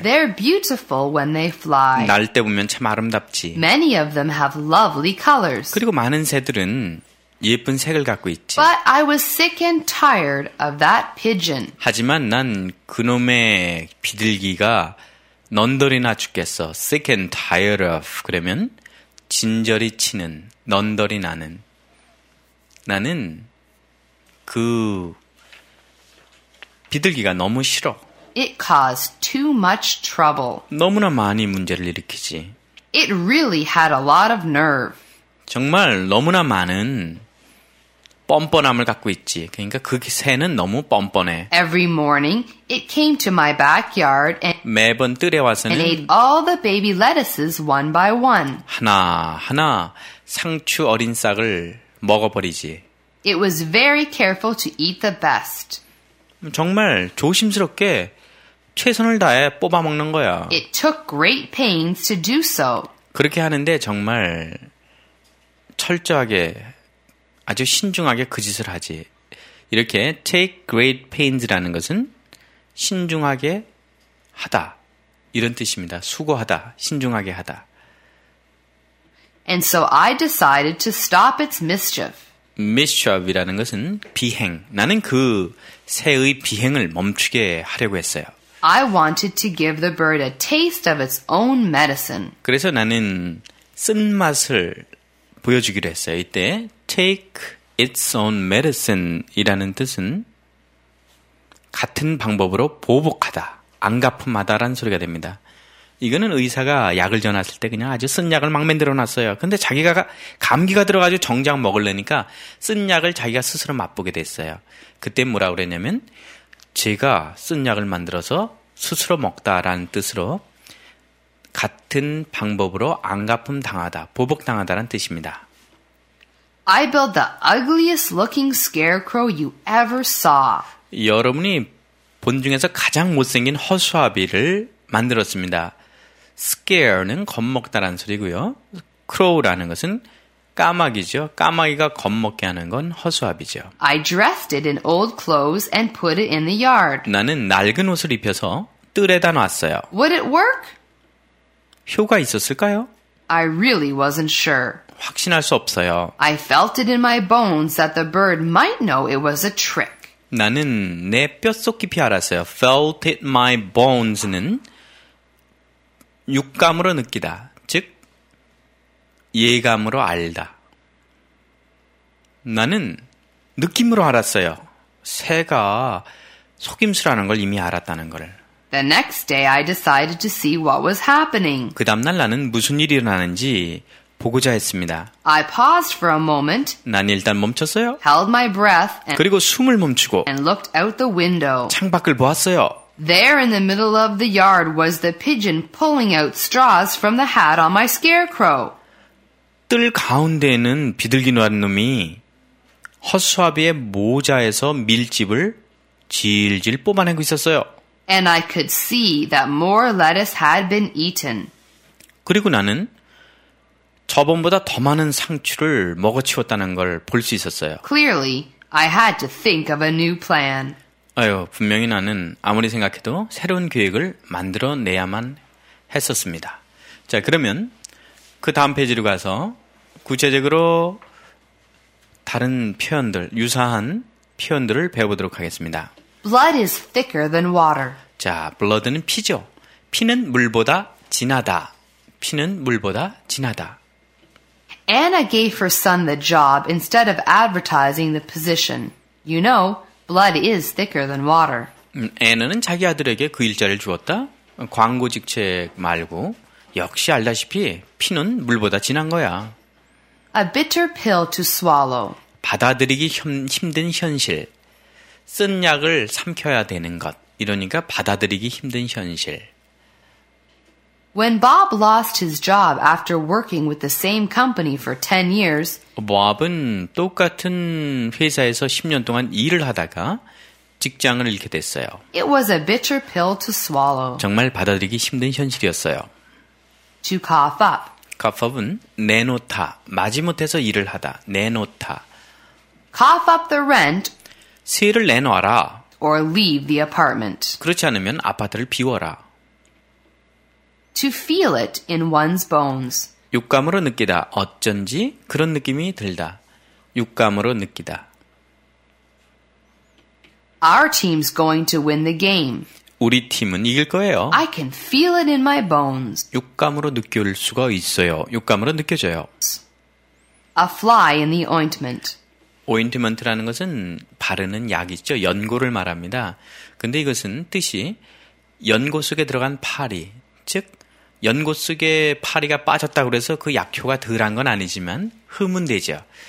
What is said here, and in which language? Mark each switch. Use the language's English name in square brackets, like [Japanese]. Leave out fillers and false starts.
[English] They're beautiful when they fly. [Korean] 날 때 보면 참 아름답지. [English] Many of them have lovely colors. [Korean] 그리고 많은 새들은 예쁜 색을 갖고 있지. [English] But I was sick and tired of that pigeon. [Korean] 하지만 난 그놈의 비둘기가 넌더리나 죽겠어. [English] Sick and tired of. [Korean] 그러면 진저리 치는, 넌더리 나는. 나는 그 비둘기가 너무 싫어. [English] It caused too much trouble. [Korean] 너무나 많이 문제를 일으키지. [English] It really had a lot of nerve. [Korean] 정말 너무나 많은 뻔뻔함을 갖고 있지. 그러니까 그 새는 너무 뻔뻔해. [English] Every morning it came to my backyard and [Korean] 매번 뜰에 와서는 [English] and ate all the baby lettuces one by one. [Korean] 하나 하나 상추 어린 싹을 먹어버리지. [English] It was very careful to eat the best. [Korean] 정말 조심스럽게 최선을 다해 뽑아 먹는 거야. [English] It took great pains to do so. [Korean] 그렇게 하는데 정말 철저하게 아주 신중하게 그 짓을 하지. 이렇게 [English] take great pains [Korean] 라는 것은 신중하게 하다 이런 뜻입니다. 수고하다, 신중하게 하다. [English] And so I decided to stop its mischief. [Korean] Mischief이라는 것은 비행. 나는 그 새의 비행을 멈추게 하려고 했어요. [English] I wanted to give the bird a taste of its own medicine. [Korean] 그래서 나는 쓴맛을 보여주기로 했어요. 이때 [English] take its own medicine [Korean] 이라는 뜻은 같은 방법으로 보복하다, 안갚음하다라는 소리가 됩니다. 이거는 의사가 약을 전했을 때 그냥 아주 쓴 약을 막 만들어 놨어요. 근데 자기가 감기가 들어가지고 정작 먹으려니까 쓴 약을 자기가 스스로 맛보게 됐어요. 그때 뭐라고 그랬냐면 제가 쓴 약을 만들어서 스스로 먹다라는 뜻으로 같은 방법으로 안갚음 당하다, 보복 당하다라는 뜻입니다. [English] I built the ugliest looking scarecrow you ever saw. [Korean] 여러분이 본 중에서 가장 못생긴 허수아비를 만들었습니다. Scare는 겁먹다라는 소리고요. Crow라는 것은 까마귀죠. 까마귀가 겁먹게 하는 건 허수아비죠. [English] I dressed it in old clothes and put it in the yard. [Korean] 나는 낡은 옷을 입혀서 뜰에다 놨어요. [English] Would it work? [Korean] 효과 있었을까요? [English] I really wasn't sure. [Korean] 확신할 수 없어요. [English] I felt it in my bones that the bird might know it was a trick. [Korean] 나는 내 뼛속 깊이 알았어요. [English] Felt it my bones [Korean] 는 육감으로 느끼다. 즉, 예감으로 알다. 나는 느낌으로 알았어요. 새가 속임수라는 걸 이미 알았다는 걸. [English] The next day I decided to see what was happening. [Korean] 그 다음날 나는 무슨 일이 일어나는지 보고자 했습니다. [English] I paused for a moment. [Korean] 난 일단 멈췄어요. [English] Held my breath. [Korean] 그리고 숨을 멈추고. [English] And looked out the window. [Korean] 창 밖을 보았어요. [English] There in the middle of the yard was the pigeon pulling out straws from the hat on my scarecrow. [Korean] 뜰 가운데에는 비둘기 노란 놈이 허수아비의 모자에서 밀집을 질질 뽑아내고 있었어요. [English] And I could see that more lettuce had been eaten. [Korean] 그리고 나는 저번보다 더 많은 상추를 먹어치웠다는 걸 볼 수 있었어요. [English] Clearly, I had to think of a new plan. [Korean] 아유, 분명히 나는 아무리 생각해도 새로운 계획을 만들어내야만 했었습니다. 자, 그러면 그 다음 페이지로 가서 구체적으로 다른 표현들, 유사한 표현들을 배워보도록 하겠습니다. [English] Blood is thicker than water. [Korean] 자, blood는 피죠. 피는 물보다 진하다. 피는 물보다 진하다. [English] Anna gave her son the job instead of advertising the position. You know, blood is thicker than water. [Korean] Anna는 자기 아들에게 그 일자를 주었다. 광고 직책 말고 역시 알다시피 피는 물보다 진한 거야. [English] A bitter pill to swallow. [Korean] 받아들이기 힘든 현실. 쓴 약을 삼켜야 되는 것. 이러니까 받아들이기 힘든 현실. [English] When Bob lost his job after working with the same company for 10 years, [Korean] Bob은 똑같은 회사에서 10년 동안 일을 하다가 직장을 잃게 됐어요. [English] It was a bitter pill to swallow. [Korean] 정말 받아들이기 힘든 현실이었어요. [English] To cough up. Cough up [Korean] 은 내놓다, 마지못해서 일을 하다, 내놓다. [English] Cough up the rent. [Korean] 세를 내놔라. [English] Or leave the apartment. [Korean] 그렇지 않으면 아파트를 비워라. [English] To feel it in one's bones. [Korean] 육감으로 느끼다. 어쩐지 그런 느낌이 들다. 육감으로 느끼다. [English] Our team's going to win the game. [Korean] 우리 팀은 이길 거예요. [English] I can feel it in my bones. [Korean] 육감으로 느낄 수가 있어요. 육감으로 느껴져요. [English] A fly in the ointment. [Korean] Ointment라는 것은 바르는 약이죠. 연고를 말합니다. 근데 이것은 뜻이 연고 속에 들어간 파리, 즉 연고 속에 파리가 빠졌다고 그래서 그 약효가 덜한 건 아니지만 흠은 되죠.